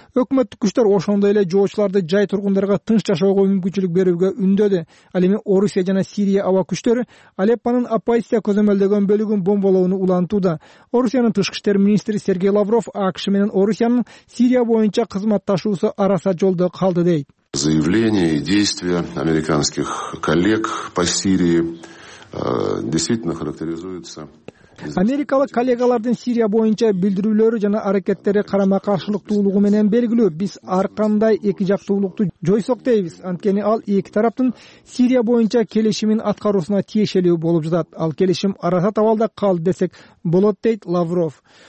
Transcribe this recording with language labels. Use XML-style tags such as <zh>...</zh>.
<ky>Өкмөттүк күчтөр ошондой эле жоочуларды жай тургундарга тынч жашоого мүмкүнчүлүк берүүгө үндөдү. Ал эми Орусия жана Сирия аба күчтөрү Алеппанын оппозиция көзөмөлдөгөн бөлүгүн бомболоону улантууда. Орусиянын тышкы иштер министри Сергей Лавров АКШ менен Орусиянын Сирия боюнча кызматташуусу араса жолдо калды дейт.</ky> <ru>Заявления и действия американских коллег по Сирии действительно характеризуются.</ru> <ky>Америкалык коллегалардын Сирия боюнча билдирүүлөрү жана аракеттери карама-каршылыктуулугу менен белгилүү. Биз ар кандай эки жактуулукту жойсок дейбиз, анткени ал эки тараптын Сирия боюнча келишимин аткаруусуна тиешелүү болуп жатат. Ал келишим арасат абалда калды десек болот, дейт Лавров.</ky>